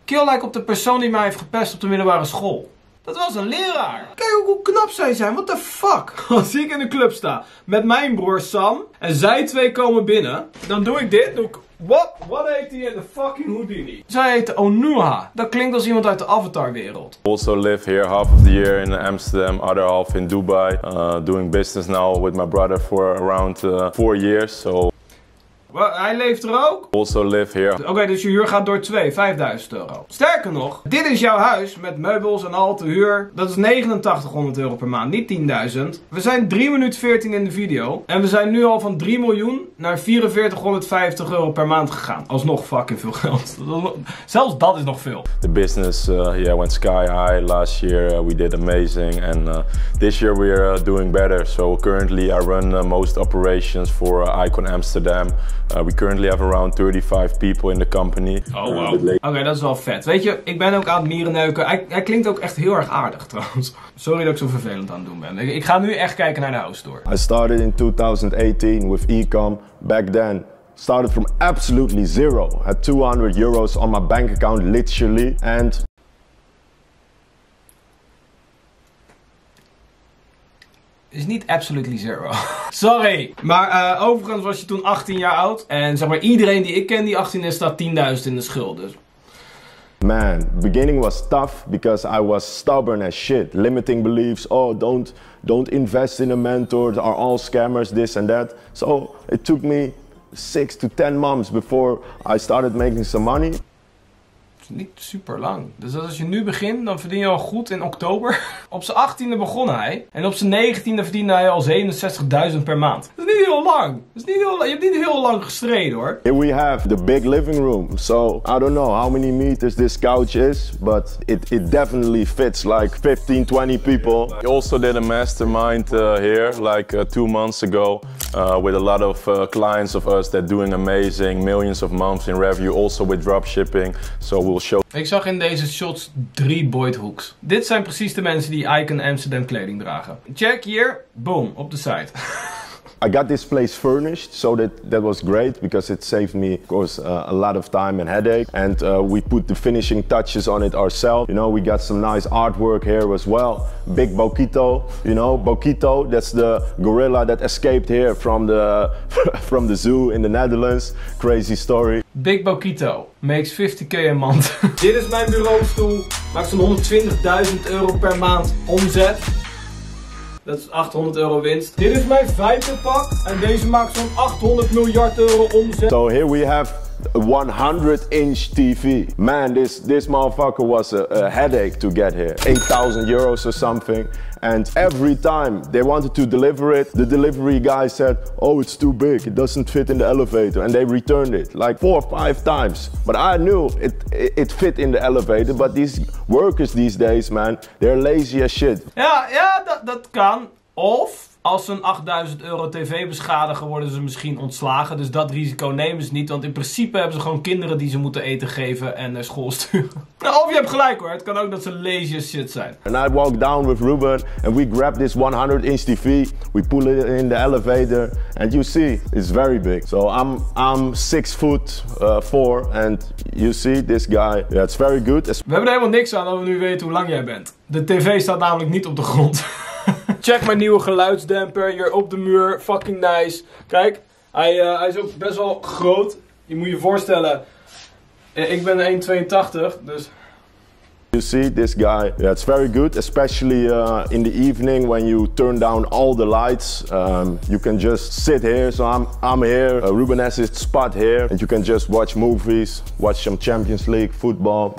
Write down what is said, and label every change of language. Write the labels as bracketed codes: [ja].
[nl] Kill like op de persoon die mij heeft gepest op de middelbare school. Dat was een leraar. Kijk ook hoe knap zij zijn. [en] What the fuck? [nl] Als ik in de club sta met mijn broer Sam en zij twee komen binnen, dan doe ik dit. Doe ik Wat heet hij in de fucking Houdini? Zij heet Onua. Dat klinkt als iemand uit de Avatar-wereld. [en] Also live here half of the year in Amsterdam, other half in Dubai. Doing business now with my brother for around 4 years, so... [nl] Well, hij leeft er ook? [en] Also live here. [nl] Okay, dus je huur gaat door 2, €5000. Sterker nog, dit is jouw huis met meubels en al te huur. Dat is €8900 per maand, niet 10.000. We zijn 3 minuten 14 in de video. En we zijn nu al van 3 miljoen naar €4450 per maand gegaan. Alsnog fucking veel geld. Zelfs dat is nog veel. [en] The business went sky high last year. We did amazing. And this year we are doing better. So currently I run most operations for Icon Amsterdam. We currently have around 35 people in the company. [nl] Oh wow. Okay, dat is wel vet. Weet je, ik ben ook aan het mierenneuken. Hij klinkt ook echt heel erg aardig trouwens. Sorry dat ik zo vervelend aan het doen ben. Ik ga nu echt kijken naar de house tour. [en] I started in 2018 with e-com. Back then, started from absolutely zero. Had €200 on my bank account, literally. And... [nl] is niet [en] absolutely zero. [nl] Sorry. Maar overigens was je toen 18 jaar oud. En zeg maar, iedereen die ik ken die 18 is, staat 10.000 in de schuld. Dus. [en] Man, beginning was tough because I was stubborn as shit. Limiting beliefs. Oh, don't invest in a mentor. They are all scammers, this and that. So it took me 6 to 10 months before I started making some money. [nl] Niet super lang. Dus als je nu begint, dan verdien je al goed in oktober. Op zijn 18e begon hij. En op zijn 19e verdiende hij al 67.000 per maand. Dat is niet heel lang. Je hebt niet heel lang gestreden hoor. [en] Here we have the big living room. So I don't know how many meters this couch is. But it definitely fits like 15, 20 people. He also did a mastermind here like 2 months ago. With a lot of clients of us that doing amazing. Millions of months in revenue. Also with dropshipping. So we'll show. [nl] Ik zag in deze shots 3 Boyd Hooks. Dit zijn precies de mensen die Icon Amsterdam kleding dragen. Check hier. Boom. Op de site. [en] I got this place furnished, so that was great because it saved me, of course, a lot of time and headache. And we put the finishing touches on it ourselves. You know, we got some nice artwork here as well. Big Boquito, you know, Boquito, that's the gorilla that escaped here from the zoo in the Netherlands. Crazy story. Big Boquito makes 50k a month. [nl] Dit is mijn bureaustoel, maakt zo'n €120.000 per maand omzet. Dat is €800 winst. Dit is mijn vijfde pak en deze maakt zo'n €800 miljard omzet. [en] So here we have 100-inch TV. Man, this motherfucker was a headache to get here. €8000 or something. And every time they wanted to deliver it, the delivery guy said, oh, it's too big, it doesn't fit in the elevator. And they returned it like 4 or 5 times. But I knew it fit in the elevator, but these workers these days, man, they're lazy as shit. [nl] Ja, ja, dat kan. Of als ze een €8000 tv beschadigen, worden ze misschien ontslagen. Dus dat risico nemen ze niet, want in principe hebben ze gewoon kinderen die ze moeten eten geven en naar school sturen. Of je hebt gelijk hoor, het kan ook dat ze [en] lazy as shit [nl] zijn. [en] And I walk down with Ruben and we grab this 100-inch TV. We pull it in the elevator and you see, it's very big. So I'm 6'4" and you see this guy, yeah, it's very good. [nl] We hebben er helemaal niks aan dat we nu weten hoe lang jij bent. De tv staat namelijk niet op de grond. Check mijn nieuwe geluidsdemper hier op de muur. Fucking nice. Kijk, hij is ook best wel groot. Je moet je voorstellen, ik ben 1,82, dus... [en] You see this guy, yeah, it's very good, especially in the evening when you turn down all the lights. You can just sit here, so I'm here. Ruben has his spot here, and you can just watch movies, watch some Champions League football.